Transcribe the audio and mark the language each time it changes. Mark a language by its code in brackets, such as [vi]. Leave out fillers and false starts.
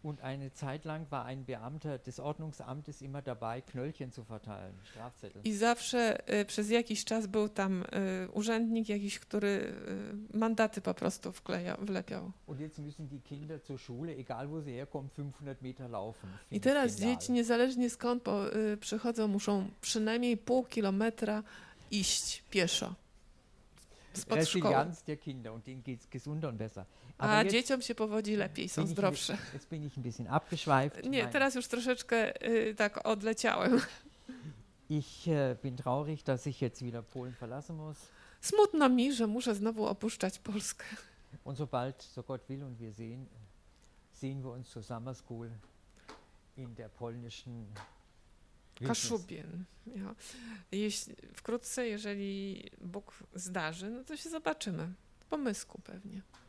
[de] Und eine Zeit lang war ein Beamter des Ordnungsamtes immer dabei, Knöllchen zu verteilen, Strafzettel. [pl] I zawsze przez jakiś czas był tam urzędnik jakiś, który mandaty po prostu wlepiał. [de] Und jetzt müssen die Kinder zur Schule, egal wo sie herkommen, 500 Meter laufen. [pl] I teraz dzieci, niezależnie skąd przychodzą, muszą przynajmniej pół kilometra iść pieszo. [de] Resilienz der Kinder und denen geht's gesünder und besser. [pl] A dzieciom się powodzi lepiej, są zdrowsze. [de] Jetzt bin ich ein bisschen abgeschweift. [pl] Nie, teraz już troszeczkę tak odleciałem. [de] Ich bin traurig, dass ich jetzt wieder Polen verlassen muss. [pl] Smutno mi, że muszę znowu opuszczać Polskę. [de] Und sobald, so Gott will, und wir sehen wir uns zur Summer School in der polnischen Kaszubien. Ja. [pl] Wkrótce, jeżeli Bóg zdarzy, no to się zobaczymy. Po mysku pewnie.